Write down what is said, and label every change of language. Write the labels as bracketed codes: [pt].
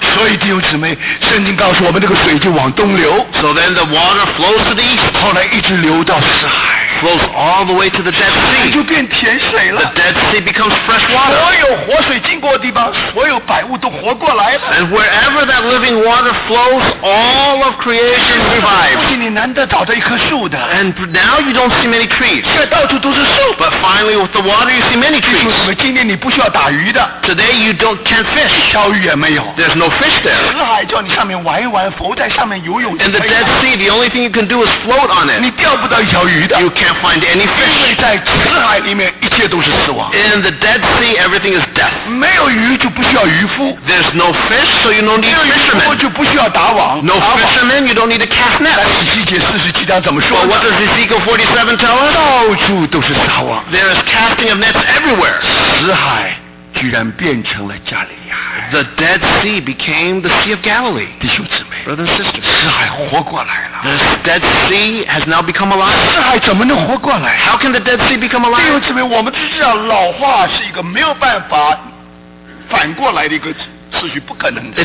[zh] 所以弟兄姊妹，圣经告诉我们，那个水就往东流。 [en] So then the water flows to the east. [zh] 后来一直流到死海。 [en] Flows all the way to the Dead Sea. [zh] 就变甜水了。 [en] The Dead Sea becomes fresh water. [zh] 所有活水经过的地方，所有百物都活过来了。 [en] And wherever that living water flows, all of creation survives. [zh] 不仅你难得找到一棵树的。 [en] And now you don't see many trees. [zh] 现在到处都是树。 [en] But finally, with the water, you see many trees. [zh] 为什么今天你不需要打鱼的？ [en] Today you don't can't fish. [zh] 小鱼也没有。 [en] There's no fish there. [zh] 死海叫你上面玩一玩，浮在上面游泳。 [en] In the Dead Sea, the only thing you can do is float on it. [zh] 你钓不到一条鱼的。 [en] You can't. Find any fish. [zh] 因为在死海里面，一切都是死亡。 [en] In the Dead Sea, everything is death. [zh] 没有鱼就不需要渔夫。 [en] There's no fish, so you don't need fishermen. [zh] 没有鱼就不需要打网。 [en] No fishermen, you don't need to cast net. [zh] 但是以西结47章怎么说呢？ [en] What does Ezekiel 47 tell us? [zh] 到处都是撒网。 [en] There is casting of nets everywhere. [zh] 死海居然变成了加利利海。 [en] The Dead Sea became the Sea of Galilee. [zh] 弟兄姊妹。 [en] Brothers and sisters, [zh] 死海活过来了。 [en] The Dead Sea has now become alive. [zh] 死海怎么能活过来？ [en] How can the Dead Sea become alive? [zh] 弟兄姊妹，我们知道老化是一个没有办法反过来的一个次序，不可能的。